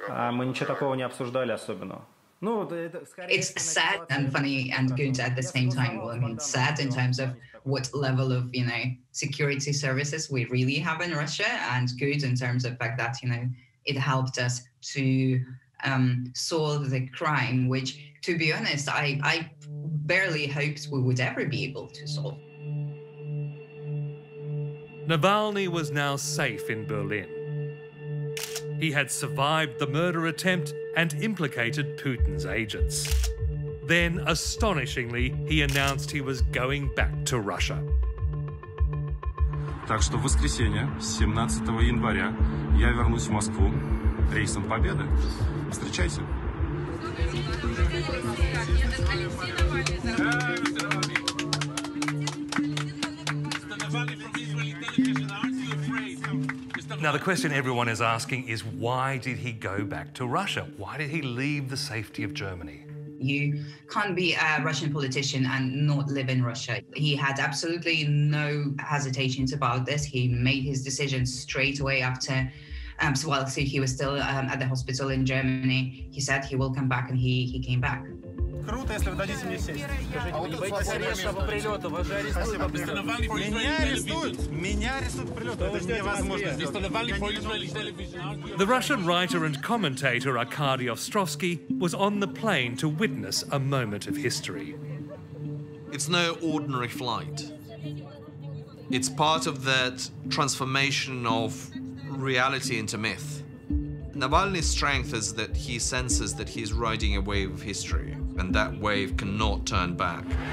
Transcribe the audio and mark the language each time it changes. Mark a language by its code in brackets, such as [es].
[ru] Мы ничего такого не обсуждали особенно. Ну, [en] it's sad and funny and good at the same time. Well, I mean, sad in terms of what level of, you know, security services we really have in Russia, and good in terms of the fact that, you know, it helped us to solve the crime, which, to be honest, I barely hoped we would ever be able to solve. Navalny was now safe in Berlin. He had survived the murder attempt and implicated Putin's agents. Then, astonishingly, he announced he was going back to Russia. [ru] Так что в воскресенье, 17 января, я вернусь в Москву рейсом Победы. Встречайте. [en] Now the question everyone is asking is, why did he go back to Russia? Why did he leave the safety of Germany? You can't be a Russian politician and not live in Russia. He had absolutely no hesitations about this. He made his decision straight away after, so he was still at the hospital in Germany. He said he will come back, and he came back. [ru] Круто, если вы дадите мне сесть. Скажите, не боитесь прилета, вас же арестуют. Меня арестуют в прилету, это невозможно. [en] The Russian writer and commentator Аркадий Островский was on the plane to witness a moment of history. It's no ordinary flight. It's part of that transformation of reality into myth. Navalny's strength is that he senses that he's riding a wave of history, and that wave cannot turn back.